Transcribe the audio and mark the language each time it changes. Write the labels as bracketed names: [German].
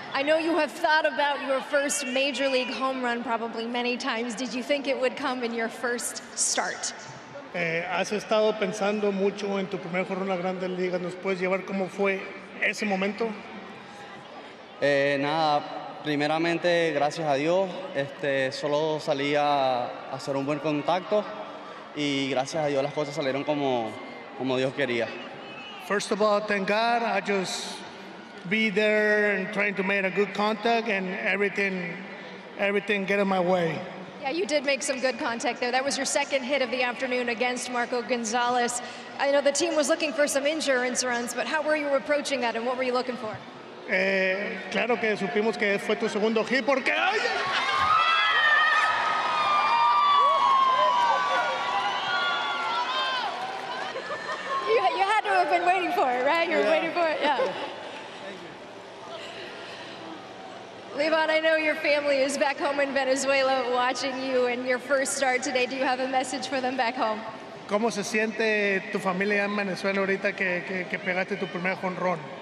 [English] I know you have thought about your first major league home run probably many times. Did you think it would come in your first start? [Spanish] Has estado pensando mucho en tu primer home run en las grandes ligas. ¿Nos puedes llevar cómo fue ese momento? Nada, primeramente, gracias a Dios, solo salí a hacer un buen contacto y gracias a Dios las cosas salieron como Dios quería. [English] First of all, thank God. I just be there and trying to make a good contact and everything get in my way. Yeah, you did make some good contact there. That was your second hit of the afternoon against Marco Gonzalez. I know the team was looking for some insurance runs, but how were you approaching that and what were you looking for? [Spanish] Claro que supimos que fue tu segundo hit porque... ¡Ay! [English] You had to have been waiting for it, right? You were waiting for it, yeah. Levon, I know your family is back home in Venezuela watching you and your first start today. Do you have a message for them back home? [Spanish] ¿Cómo se siente tu familia en Venezuela ahorita que pegaste tu primer jonrón?